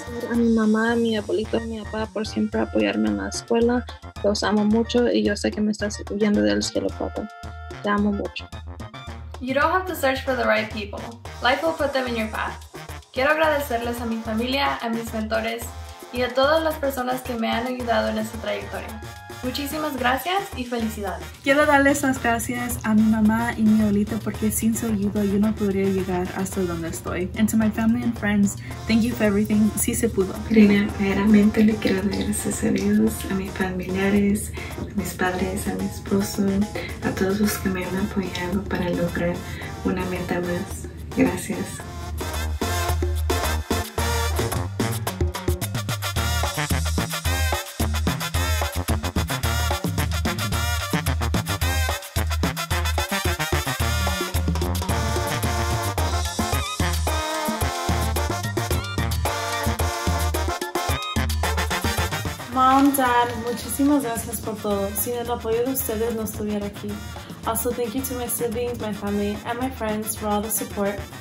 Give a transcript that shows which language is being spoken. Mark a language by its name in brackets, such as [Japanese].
[Spanish] A mi mamá, a mi abuelito, a mi papá por siempre apoyarme en la escuela. Los amo mucho y yo sé que me estás oyendo del cielo, papá. Te amo mucho. [English] You don't have to search for the right people. Life will put them in your path. [Spanish] Quiero agradecerles a mi familia, a mis mentores y a todas las personas que me han ayudado en esta trayectoria. Muchísimas gracias y felicidades. Quiero darles las gracias a mi mamá y mi abuelita porque sin su ayuda yo no podría llegar hasta donde estoy. [English] And to my family and friends, thank you for everything. [Spanish] Sí se pudo. Primeramente le quiero dar gracias a Dios, a mis familiares, a mis padres, a mi esposo, a todos los que me han apoyado para lograr una meta más. Gracias. Dad, muchísimas gracias por todo. Sin el apoyo de ustedes, no estuviera aquí. [English] Also, thank you to my siblings, my family, and my friends for all the support.